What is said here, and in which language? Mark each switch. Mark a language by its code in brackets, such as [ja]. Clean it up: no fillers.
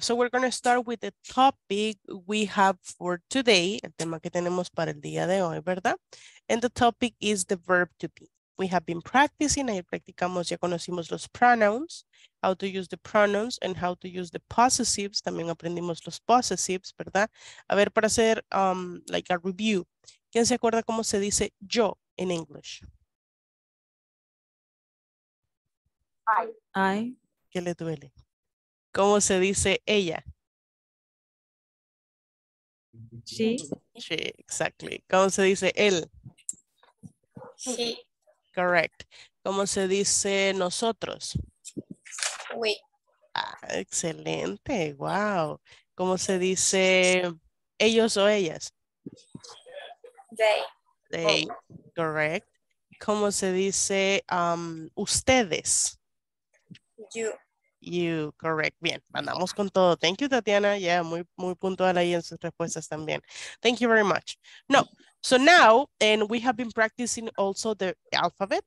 [en] So we're going to start with the topic we have for today. [es] El tema que tenemos para el día de hoy, ¿verdad? [en] And the topic is the verb to be. We have been practicing, [es] ahí practicamos, ya conocimos los [en] pronouns, how to use the pronouns and how to use the possessives, [es] también aprendimos los [en] possessives, ¿verdad? [es] A ver, para hacer [en] like a review, [es] ¿quién se acuerda cómo se dice yo en English? [en] I. [es] ¿Qué le duele? ¿Cómo se dice ella? [en] She. She, exactly. [es] ¿Cómo se dice él? [en] She. [es] Correct. ¿Cómo se dice nosotros? [en] We. [es] Ah, excelente. Wow. ¿Cómo se dice ellos o ellas? [en] They. They. Oh. Correct. [es] ¿Cómo se dice ustedes? [en] You. You. Correct. [es] Bien. Andamos con todo. [en] Thank you, [es] Tatiana. Yeah, muy, muy puntual ahí en sus respuestas también. [en] Thank you very much. No. So now, and we have been practicing also the alphabet.